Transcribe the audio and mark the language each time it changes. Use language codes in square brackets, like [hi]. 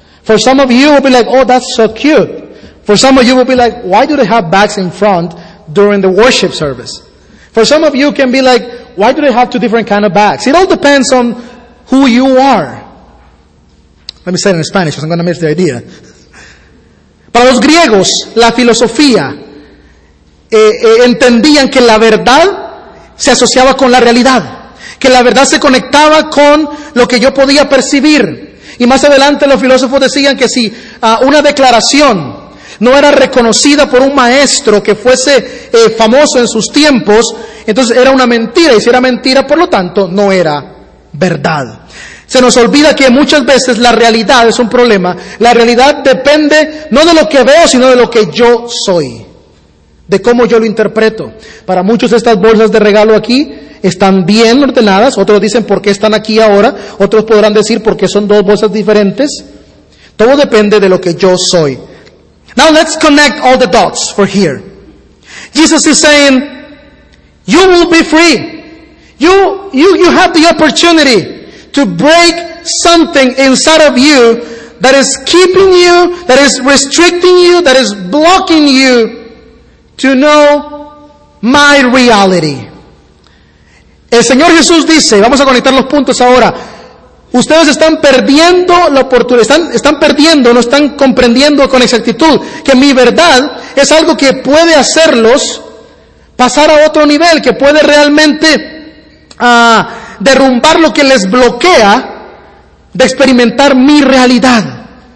[en] For some of you, it will be like, oh, that's so cute. For some of you, it will be like, why do they have bags in front during the worship service? For some of you, it can be like, why do they have two different kind of bags? It all depends on who you are. Let me say it in Spanish, because I'm going to miss the idea. [es] Para los griegos, la filosofía, entendían que la verdad se asociaba con la realidad, que la verdad se conectaba con lo que yo podía percibir. Y más adelante los filósofos decían que si una declaración no era reconocida por un maestro que fuese famoso en sus tiempos, entonces era una mentira, y si era mentira, por lo tanto, no era verdad. Se nos olvida que muchas veces la realidad es un problema. La realidad depende no de lo que veo, sino de lo que yo soy. De cómo yo lo interpreto. Para muchos estas bolsas de regalo aquí están bien ordenadas. Otros dicen por qué están aquí ahora. Otros podrán decir por qué son dos bolsas diferentes. Todo depende de lo que yo soy. [en] Now let's connect all the dots for here. Jesus is saying, you will be free. You have the opportunity to break something inside of you that is keeping you, that is restricting you, that is blocking you to know my reality. [es] El Señor Jesús dice, vamos a conectar los puntos ahora. Ustedes están perdiendo la oportunidad, están perdiendo, no están comprendiendo con exactitud que mi verdad es algo que puede hacerlos pasar a otro nivel, que puede realmente derrumbar lo que les bloquea de experimentar mi realidad.